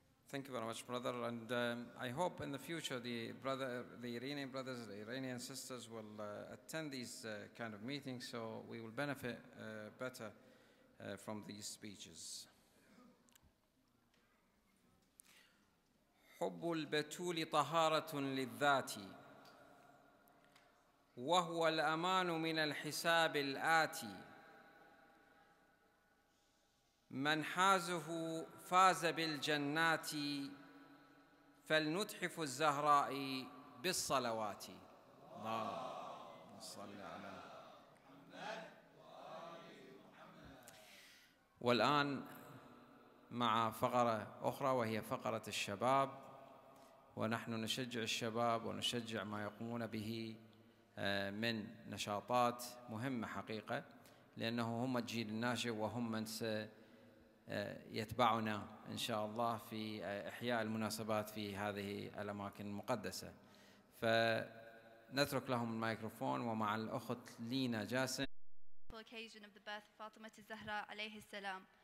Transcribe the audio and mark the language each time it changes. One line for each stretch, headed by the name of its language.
English: Thank you very much, brother. And I hope in the future the Iranian brothers, the Iranian sisters will attend these kind of meetings so we will benefit better from these speeches.
Arabic: حب البتول طهارة للذات وهو الأمان من الحساب الآتي من حازه فاز بالجنات فلنتحف الزهراء بالصلوات. اللهم صل على محمد وآل محمد. والآن مع فقرة أخرى وهي فقرة الشباب، ونحن نشجع الشباب ونشجع ما يقومون به من نشاطات مهمة حقيقة، لأنه هم الجيل الناشئ وهم من سيتبعنا إن شاء الله في إحياء المناسبات في هذه الأماكن المقدسة. فنترك لهم الميكروفون ومع الأخت لينا جاسم.
English: The occasion of the birth of Fatima Zahra
Arabic: عليه السلام.